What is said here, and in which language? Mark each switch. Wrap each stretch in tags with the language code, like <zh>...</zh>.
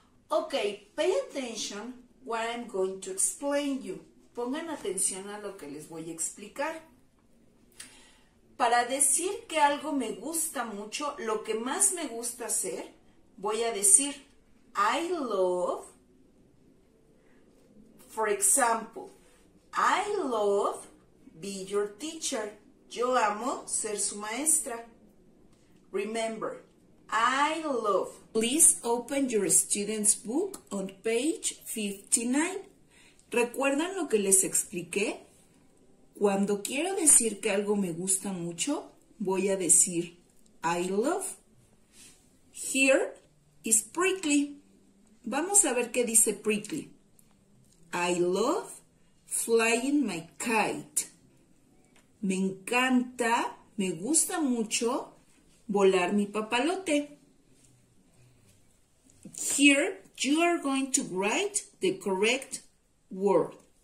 <en>Okay, pay attention what I'm going to explain you.</en> <es>Pongan atención a lo que les voy a explicar. Para decir que algo me gusta mucho, lo que más me gusta hacer, voy a decir,</es> <en>I love, for example, I love be your teacher.</en> <es>Yo amo ser su maestra.</es> <en>Remember, I love. Please open your student's book on page 59.</en> <es>¿Recuerdan lo que les expliqué? Cuando quiero decir que algo me gusta mucho, voy a decir</es> <en>I love. Here is Prickly.</en> <es>Vamos a ver qué dice Prickly.</es> <en>I love flying my kite.</en> <es>Me encanta, me gusta mucho volar mi papalote.</es> <en>Here you are going to write the correct word.</en>